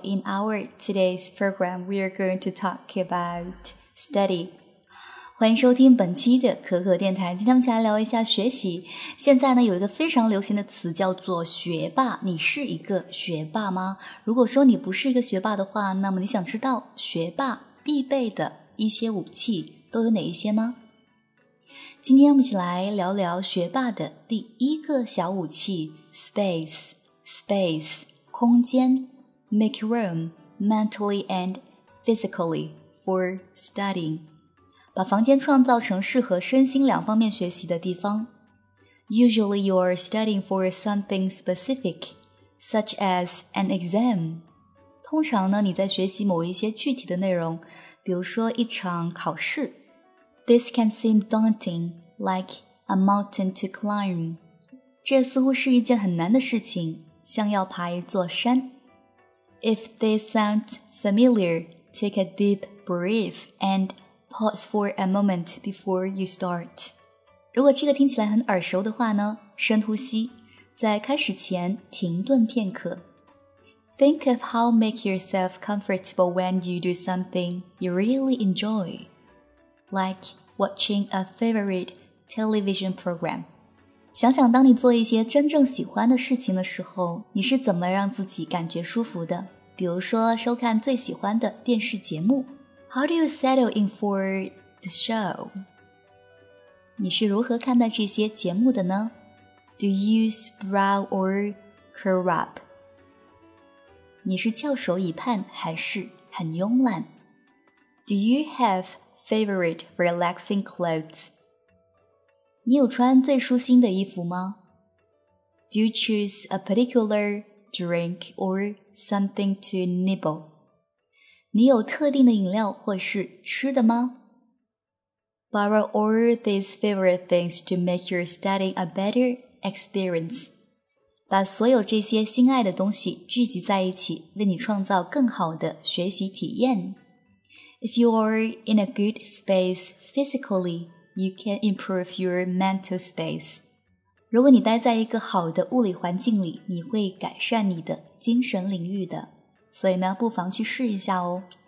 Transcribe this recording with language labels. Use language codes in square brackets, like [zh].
[en] In our today's program, we are going to talk about study. [zh] 欢迎收听本期的可可电台。今天我们一起来聊一下学习。现在呢，有一个非常流行的词叫做学霸。你是一个学霸吗？如果说你不是一个学霸的话，那么你想知道学霸必备的一些武器都有哪一些吗？今天我们一起来聊聊学霸的第一个小武器。 [en] Space, 空间 ,make room, mentally and physically, for studying. [zh] 把房间创造成适合身心两方面学习的地方。 [en] Usually you are studying for something specific, such as an exam. [zh] 通常呢，你在学习某一些具体的内容，比如说一场考试。 [en] This can seem daunting, like a mountain to climb. [zh] 这似乎是一件很难的事情，像要爬一座山。 [en] If this sounds familiar, take a deep breath and pause for a moment before you start. [zh] 如果这个听起来很耳熟的话呢，深呼吸，在开始前停顿片刻。 [en] Think of how make yourself comfortable when you do something you really enjoy, like watching a favorite television program. [zh] 想想当你做一些真正喜欢的事情的时候，你是怎么让自己感觉舒服的？比如说收看最喜欢的电视节目。 [en] How do you settle in for the show? [zh] 你是如何看待这些节目的呢？ [en] Do you sprout or curl up? [zh] 你是翘首以盼还是很慵懒？ [en] Do you have favorite relaxing clothes? [zh] 你有穿最舒心的衣服吗？ [en] Do you choose a particular drink or something to nibble? [zh] 你有特定的饮料或是吃的吗？ [en] Borrow all these favorite things to make your studying a better experience. [zh] 把所有这些心爱的东西聚集在一起，为你创造更好的学习体验。 [en] If you are in a good space physically,You can improve your mental space. [zh] 如果你待在一个好的物理环境里，你会改善你的精神领域的。所以呢，不妨去试一下哦。